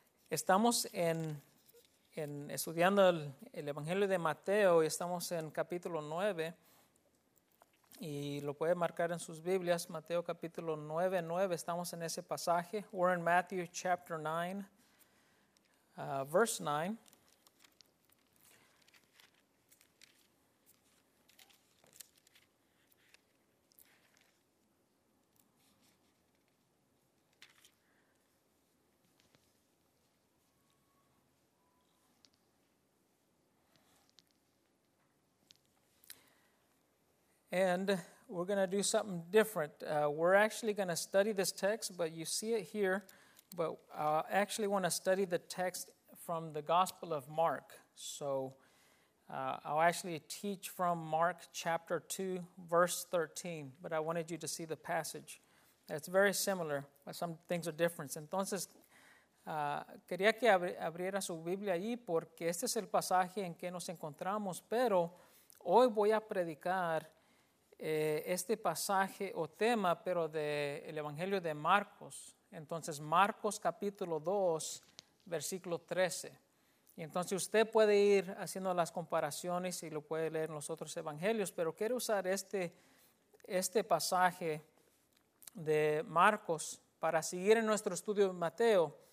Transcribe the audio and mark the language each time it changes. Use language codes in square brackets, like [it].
[es] Estamos en estudiando el Evangelio de Mateo y estamos en capítulo 9. Y lo puede marcar en sus Biblias, Mateo capítulo 9, 9. Estamos en ese pasaje. [en] We're in Matthew chapter 9, verse 9. And we're going to do something different. We're actually going to study this text, but you see it here. But I actually want to study the text from the Gospel of Mark. So I'll actually teach from Mark chapter 2, verse 13. But I wanted you to see the passage. It's very similar, but some things are different. [es] Entonces, quería que abriera su Biblia ahí porque este es el pasaje en que nos encontramos. Pero hoy voy a predicar este pasaje o tema, pero del Evangelio de Marcos. Entonces, Marcos capítulo 2, versículo 13. Y entonces usted puede ir haciendo las comparaciones y lo puede leer en los otros evangelios, pero quiero usar este pasaje de Marcos para seguir en nuestro estudio de Mateo.